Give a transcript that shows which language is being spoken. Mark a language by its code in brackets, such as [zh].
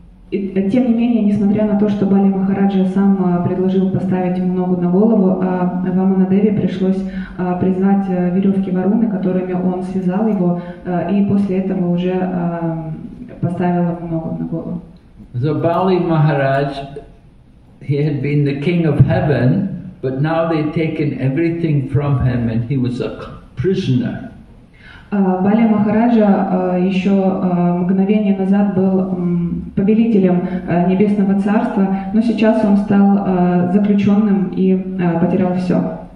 [ru] Тем не менее, несмотря на то, что Бали Махараджа сам предложил поставить ему ногу на голову, Ваманадеве пришлось призвать веревки Варуны, которыми он связал его, и после этого уже поставил ему ногу на голову. [en] So Bali Maharaj, he had been the king of heaven, but now they'd taken everything from him and he was a prisoner. [ru] Бали Махараджа еще мгновение назад был повелителем Небесного Царства, но сейчас он стал заключенным и потерял все.